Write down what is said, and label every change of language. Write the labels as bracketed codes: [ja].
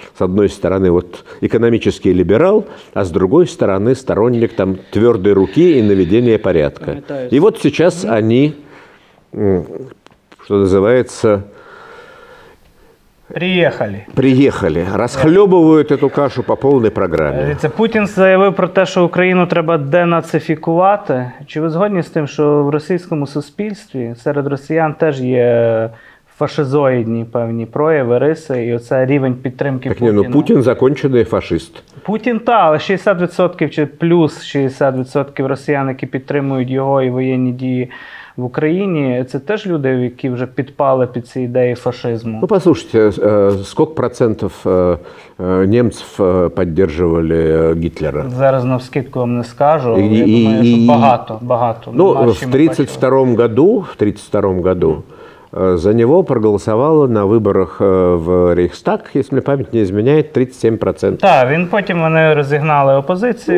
[ru] С одной стороны, вот экономический либерал, а с другой стороны, сторонник там твердой руки и наведения порядка. И вот сейчас они, что называется... Приехали. Приехали. Расхлебывают эту кашу по полной программе. [uk] Це Путін заявив про те, що Україну треба денацифікувати. Чи ви згодні з тим, що в російському суспільстві серед росіян теж є фашизоїдні певні прояви, риси, і оце рівень підтримки Путіна? Ну Путін закінчений фашист. Путін та, але 60% чи плюс 60% росіян, які підтримують його і воєнні дії в Україні, це теж люди, які вже підпали під ці ідеї фашизму. Ну, послушайте, скільки процентів німців підтримували Гітлера? Зараз навскидку вам не скажу, я думаю, що багато, багато. [ru] Ну, в 32-му году за него проголосовало на выборах в Рейхстаг, если мне память не изменяет, 37%. [uk] Да, він потім вони розігнали опозицію,